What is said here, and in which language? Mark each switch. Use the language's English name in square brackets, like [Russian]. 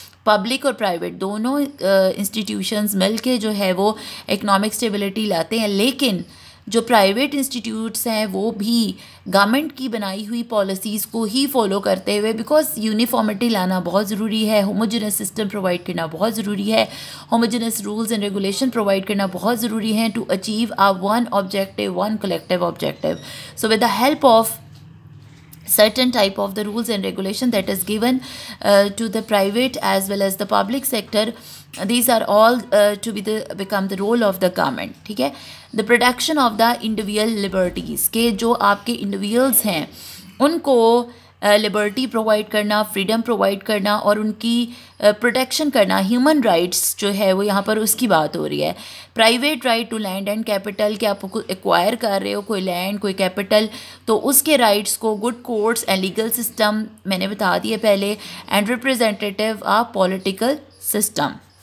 [Hindi] Public और private दोनों institutions मिलके जो है वो इकोनॉमिक स्टेबिलिटी लाते हैं, लेकिन जो प्राइवेट इंस्टीट्यूट्स हैं वो भी गवर्नमेंट की बनाई हुई पॉलिसीज़ को ही फॉलो करते हुए, बिकॉज यूनिफॉर्मिटी लाना बहुत ज़रूरी है, होमोजेनस सिस्टम प्रोवाइड करना बहुत ज़रूरी है, homogeneous rules and regulation provide करना बहुत ज़रूरी है [English] To achieve a one objective, one collective objective. So with the help of certain type of the rules and regulation that is given to the private as well as the public sector, these are all to be the become the role of the government. [Hindi] ठीक है, [English] the production of the individual liberties [Hindi] के जो आपके individuals हैं उनको liberty provide करना, freedom provide करना और उनकी प्रोटेक्शन करना, ह्यूमन राइट्स जो है वो यहाँ पर उसकी बात हो रही है. Private right to land and capital के आप एक्वायर कर रहे हो कोई लैंड कोई कैपिटल तो उसके राइट्स को, [English] good courts and legal system [Hindi] मैंने बता दिए पहले, [English] And representative of political system.